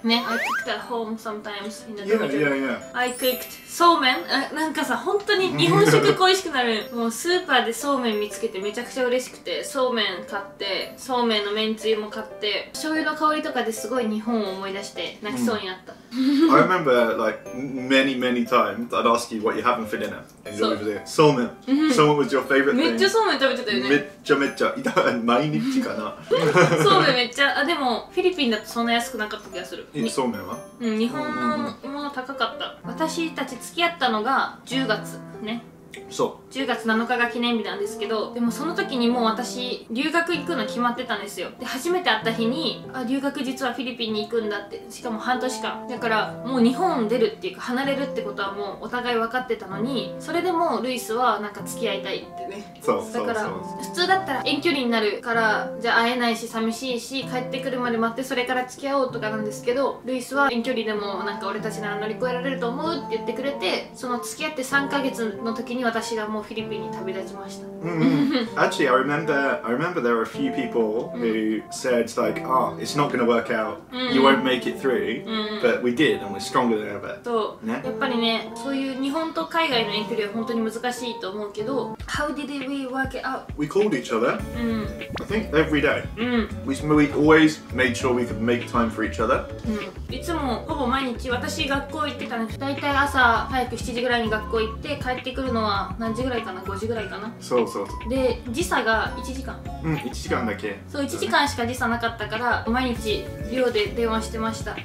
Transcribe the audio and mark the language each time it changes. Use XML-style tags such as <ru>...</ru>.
<en>ね。I cooked at home sometimes in the village. Yeah, yeah, yeah. I cooked</en> <ja>そうめん。なんかさ、本当に日本食恋しくなる。もうスーパーでそうめん見つけた。つけてめちゃくちゃ嬉しくて、そうめん買って、そうめんのめんつゆも買って、醤油の香りとかですごい日本を思い出して泣きそうになった。</ja> <en>I remember like many many times I'd ask you what you're having for dinner and you're over there. そうめん。そうめん was your favorite thing.</en> <ja>めっちゃそうめん食べてたよね。めっちゃめっちゃ。毎日かな。そうめんめっちゃ。あ、でもフィリピンだとそんな安くなかった気がする。そうめんは？うん、日本のもの高かった。私たち付き合ったのが10月ね。そう。 10月7日が記念日なんですけど、でもその時にもう私留学行くの決まってたんですよ。で、初めて会った日に、あ、留学実はフィリピンに行くんだって、しかも半年間だから、もう日本出るっていうか離れるってことはもうお互い分かってたのに、それでもルイスはなんか付き合いたいってね。そう、だからそうそうそう、普通だったら遠距離になるからじゃあ会えないし寂しいし、帰ってくるまで待ってそれから付き合おうとかなんですけど、ルイスは遠距離でもなんか俺たちなら乗り越えられると思うって言ってくれて、その付き合って3ヶ月の時に私がもうフィリピンに旅立ちました。</ja> <en>Actually, I remember there were a few people who said like, ah, it's not gonna work out, you won't make it through, but we did and we're stronger than ever.</en> <ja>そう、ね、やっぱりね、そういう日本と海外の遠距離は本当に難しいと思うけど、</ja> <en>How did we work it out? We called each other. I think every day. We always made sure we could make time for each other.</en> <ja>いつもほぼ毎日私学校行ってたね。だいたい朝早く7時ぐらいに学校行って帰ってくるのは何時ぐらいかな、5時ぐらいかな。そうそうそう。で、時差が1時間。うん、1時間だけ。そう、1時間しか時差なかったから、ね、毎日寮で電話してました。</ja>